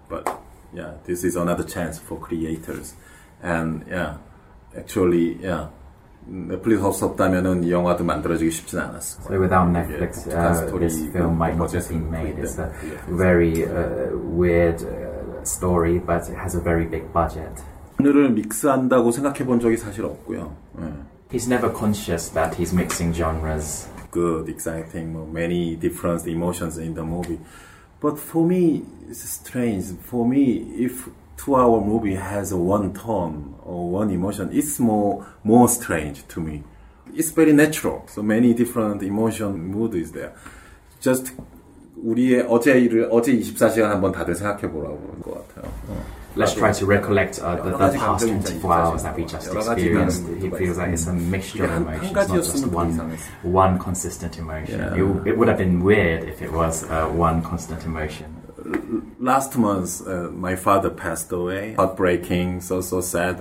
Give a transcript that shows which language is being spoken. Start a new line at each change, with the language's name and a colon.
English: But yeah, this is another chance for creators. And yeah, actually, yeah,
Korean: Netflix 없었다면은 이 영화도 만들어지기 쉽진 않았을 거예요.
English: So without Netflix, this film might not have been made. It's a very weird story, but it has a very big budget.
Korean: 오늘을 믹스한다고 생각해 본 적이 사실 없고요.
English: He's never conscious that he's mixing genres. Good, exciting, many different emotions in the movie. But for me, it's strange. For me, if two-hour movie has one tone or one emotion, it's more strange to me. It's very natural. So many different emotion mood is there.
Korean: Just 우리의 어제 24시간 한번 다들 생각해보라고 그런 것 같아요.
English: Let's try to recollect the past 24 hours that we just experienced. He feels like it's a mixture of emotions, not just one consistent emotion. Yeah. It would have been weird if it was one constant emotion. last month, my father passed away. Heartbreaking, so sad.